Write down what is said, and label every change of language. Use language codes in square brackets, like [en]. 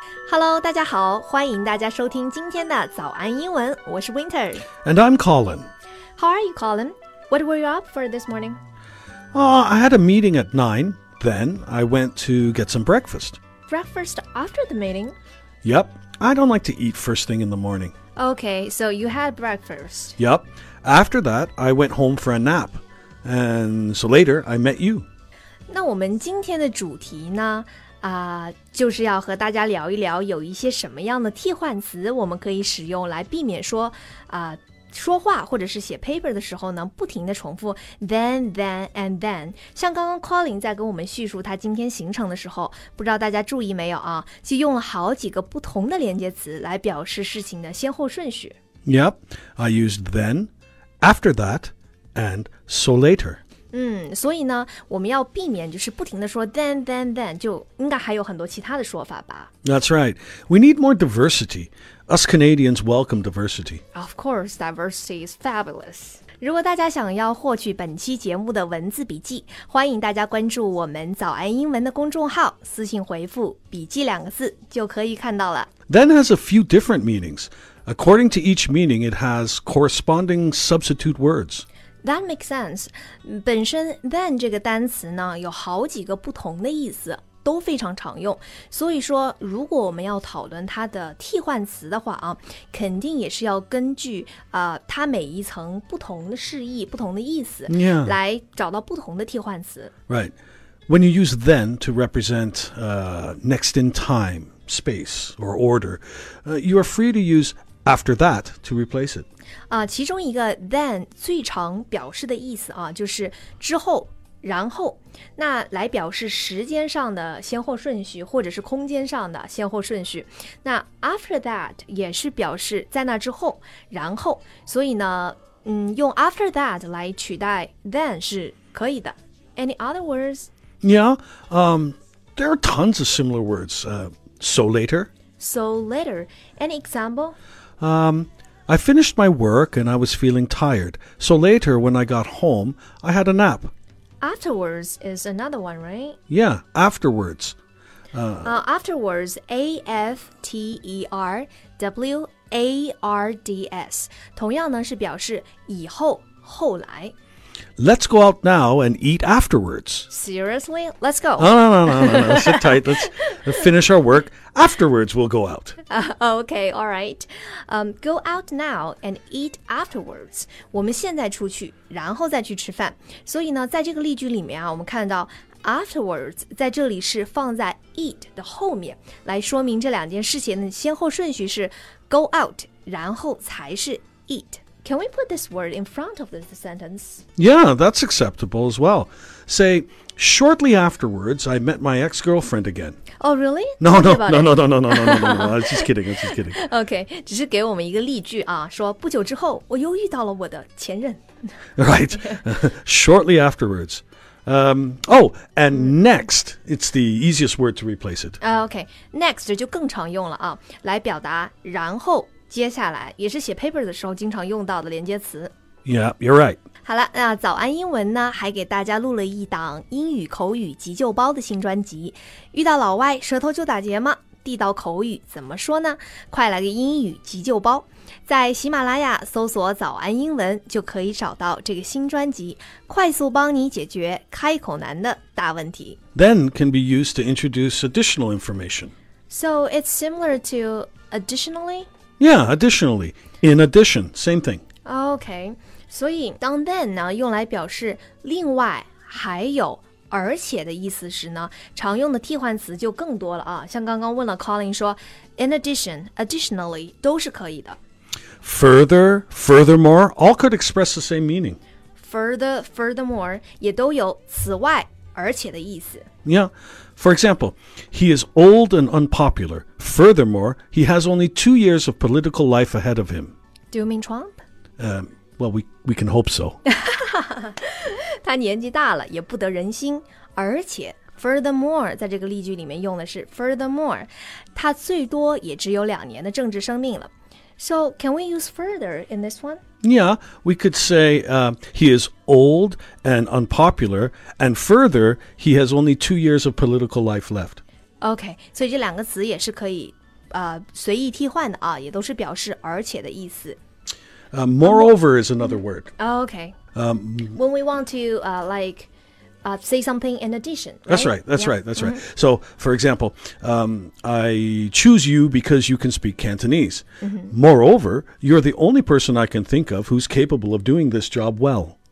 [en] Hello, [zh] 大家好，欢迎大家收听今天的早安英文。我是 Winter. [en] And I'm Colin. How are you, Colin? What were you up for this morning? I had a meeting at 9. Then I went to get some breakfast. Breakfast after the meeting? Yep. I don't like to eat first thing in the morning. Okay, so you had breakfast. Yep. After that, I went home for a nap. And so later, I met you. [zh] 那我们今天的主题呢？就是要和大家聊一聊有一些什么样的替换词我们可以使用来避免说说话或者是写 paper 的时候呢不停地重复 then, then, and then。像刚刚 Colin 在跟我们叙述他今天行程的时候，不知道大家注意没有啊，就用了好几个不同的连接词来表示事情的先后顺序。 [en] Yep, I used then, after that, and so later. [zh] 所以呢我们要避免就是不停地说 then, then, then, 就应该还有很多其他的说法吧。 [en] That's right. We need more diversity. Us Canadians welcome diversity. Of course, diversity is fabulous. [zh] 如果大家想要获取本期节目的文字笔记，欢迎大家关注我们早安英文的公众号，私信回复笔记两个字就可以看到了。 [en] Then has a few different meanings. According to each meaning, it has corresponding substitute words. That makes sense. [zh] 本身 then 这个单词呢有好几个不同的意思，都非常常用。所以说如果我们要讨论它的替换词的话啊，肯定也是要根据它每一层不同的释义，不同的意思、 [en] yeah. [zh] 来找到不同的替换词。 [en] Right. When you use then to represent next in time, space, or order, you are free to use after that to replace it. [zh] 其中一个 then 最常表示的意思啊，就是之后、然后，那来表示时间上的先后顺序，或者是空间上的先后顺序。那 after that 也是表示在那之后、然后，所以呢，用 after that 来取代 then 是可以的。 [en] Any other words? Yeah, there are tons of similar words. So later. So later. Any example? I finished my work and I was feeling tired. So later, when I got home, I had a nap. Afterwards is another one, right? Yeah, afterwards. Afterwards, A-F-T-E-R-W-A-R-D-S. [zh] 同样呢是表示以后、后来。 [en] Let's go out now and eat afterwards. Seriously? Let's go. No. Sit tight. Let's finish our work. Afterwards, we'll go out. Okay, all right. Go out now and eat afterwards. [zh] 我们现在出去，然后再去吃饭。所以呢，在这个例句里面啊，我们看到 afterwards 在这里是放在 eat 的后面，来说明这两件事情的先后顺序是 go out, 然后才是 eat. [en] Can we put this word in front of the sentence? Yeah, that's acceptable as well. Say, shortly afterwards, I met my ex-girlfriend again. Oh, really? No. I was just kidding. [zh] Okay, 只是给我们一个例句啊，说不久之后，我又遇到了我的前任。 [en] Right, shortly afterwards. Next, it's the easiest word to replace it. [zh] Okay, next 就更常用了啊，来表达然后。接下来也是写 paper 的时候经常用到的连接词。 [en] Yeah, you're right. [zh] 好了，那早安英文呢，还给大家录了一档英语口语急救包的新专辑。遇到老外，舌头就打结吗？地道口语怎么说呢？快来个英语急救包，在喜马拉雅搜索早安英文就可以找到这个新专辑，快速帮你解决开口难的大问题。 [en] Then can be used to introduce additional information. So it's similar to additionally? Yeah, additionally. In addition, same thing. Okay. [zh] 所以当 then 呢用来表示另外、还有、而且的意思时呢，常用的替换词就更多了啊。像刚刚问了 Colin 说 in addition, additionally, 都是可以的。 [en] Further, furthermore, all could express the same meaning. [zh] Further, furthermore, 也都有此外、而且的意思。 [en] Yeah. For example, he is old and unpopular. Furthermore, he has only 2 years of political life ahead of him. Do you mean Trump? Well, we can hope so. [zh] 他年纪大了，也不得人心。而且 furthermore 在这个例句里面用的是 furthermore, 他最多也只有两年的政治生命了。 [en] So, can we use further in this one? Yeah, we could say he is old and unpopular, and further, he has only 2 years of political life left. [zh] Okay, 所以这两个词也是可以随意替换的啊，也都是表示而且的意思。 [en] Moreover is another word. Okay. When we want to say something in addition, right? That's right. That's right. So, for example, I choose you because you can speak Cantonese. Mm-hmm. Moreover, you're the only person I can think of who's capable of doing this job well.